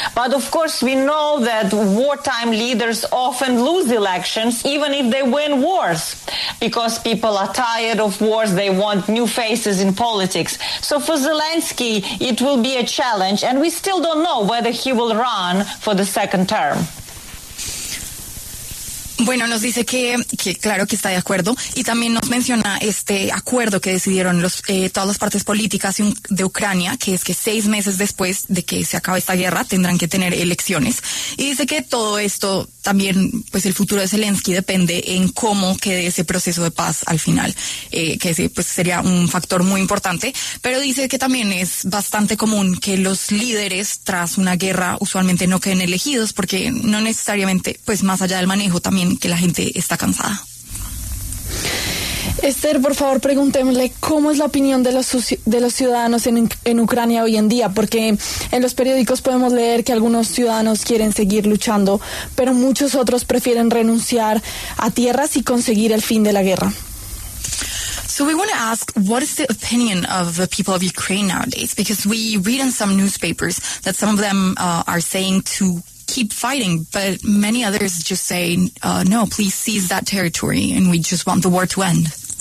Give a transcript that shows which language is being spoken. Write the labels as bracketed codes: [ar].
[en] But of course, we know that wartime leaders often lose elections, even if they win wars, because people are tired of wars. They want new faces in politics. So for Zelensky, it will be a challenge. And we still don't know whether he will run for the second term. [es] Bueno, nos dice que claro que está de acuerdo, y también nos menciona este acuerdo que decidieron los todas las partes políticas de Ucrania, que es que 6 meses después de que se acabe esta guerra tendrán que tener elecciones. Y dice que todo esto también, pues el futuro de Zelensky depende en cómo quede ese proceso de paz al final, que sí, pues sería un factor muy importante. Pero dice que también es bastante común que los líderes tras una guerra usualmente no queden elegidos, porque no necesariamente, pues más allá del manejo, también que la gente está cansada. Esther, por favor, pregúntenle cómo es la opinión de los ciudadanos en Ucrania hoy en día, porque en los periódicos podemos leer que algunos ciudadanos quieren seguir luchando, pero muchos otros prefieren renunciar a tierras y conseguir el fin de la guerra. [en] So we want to ask, what is the opinion of the people of Ukraine nowadays? Because we read in some newspapers that some of them are saying to keep fighting, but many others just say, no, please seize that territory, and we just want the war to end.